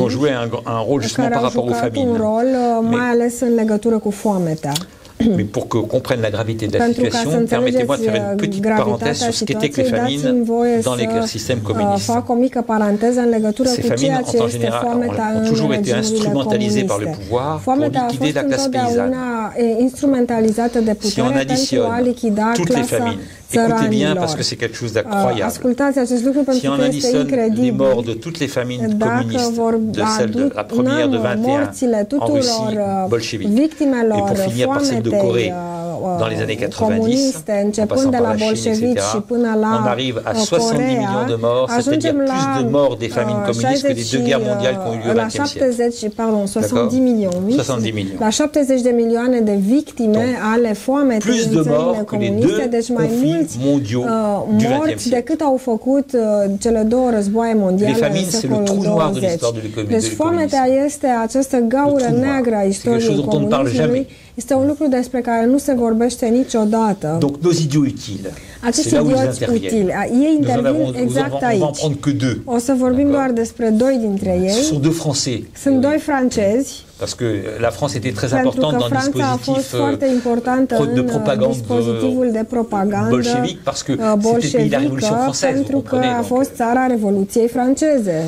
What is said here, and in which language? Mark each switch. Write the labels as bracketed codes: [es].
[fr] Qui ont joué un rôle justement par rapport aux famines. [ro] Un rol mai ales în legătură cu foametea. [fr] Mais pour que comprenne la gravité de la situation, permettez-moi de faire une petite parenthèse sur ce qu'étaient que les famines dans les systèmes communistes. [ro] Fac o mică paranteză în legătură cu ceea ce este foameta în regimurile comuniste. [fr] Par le pouvoir [ro] foameta [fr] pour liquider la classe paysanne. [ro] Instrumentalizată de putere si pentru a lichida clasa [fr] Écoutez bien, parce que c'est quelque chose d'incroyable. [ro] Ascultați acest lucru, pentru [fr] si on additionne les morts de toutes les famines communistes, de celle de la première de 21 en Russie, bolchevique, et pour finir par celle de Corée dans les années 90, en passant par la Chine, etc., on arrive à 70 millions de morts, c'est-à-dire plus de morts des famines communistes que les deux guerres mondiales qui ont eu lieu au 20e siècle. Pardon, 70 millions, oui. 70 millions. La 70 de millions de victimes à la [ro] foamete. [fr] Plus de morts que les deux conflits mondiaux [ro] morți decât au făcut cele două războaie mondiale în secolul 20. [fr] Le trou noir de l'histoire de l'économie. [ro] Deci foametea este această gaură neagră a istoriei comunismului. Este un lucru despre care nu se vorbește niciodată. [fr] Donc nos idiots utiles. [ro] Acești idioți utili. Ei intervin exact aici. O să vorbim doar despre doi dintre ei. Sunt doi francezi. Sunt doi francezi. [fr] Parce que la France était très importante dans le dispositif de propagande bolchevique, parce que c'était le pays de la Révolution française.